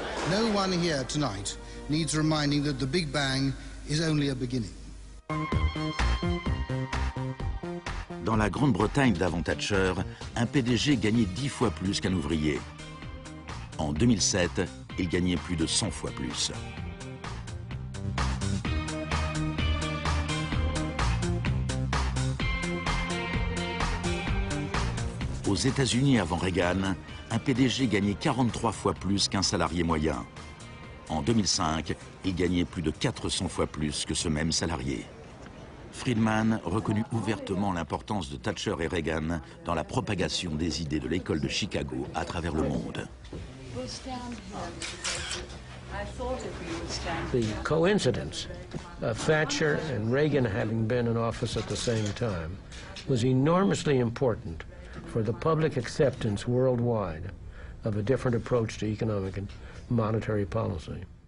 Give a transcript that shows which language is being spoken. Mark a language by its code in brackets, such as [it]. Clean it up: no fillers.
[en] No one here tonight needs reminding that the Big Bang is only a beginning. [fr] Dans la Grande-Bretagne d'avant Thatcher, un PDG gagnait 10 fois plus qu'un ouvrier. En 2007, il gagnait plus de 100 fois plus. Aux États-Unis avant Reagan, un PDG gagnait 43 fois plus qu'un salarié moyen. En 2005, il gagnait plus de 400 fois plus que ce même salarié. Friedman reconnut ouvertement l'importance de Thatcher et Reagan dans la propagation des idées de l'école de Chicago à travers le monde. [en] The coincidence of Thatcher and Reagan having been in office at the same time was enormously important for the public acceptance worldwide of a different approach to economic and monetary policy.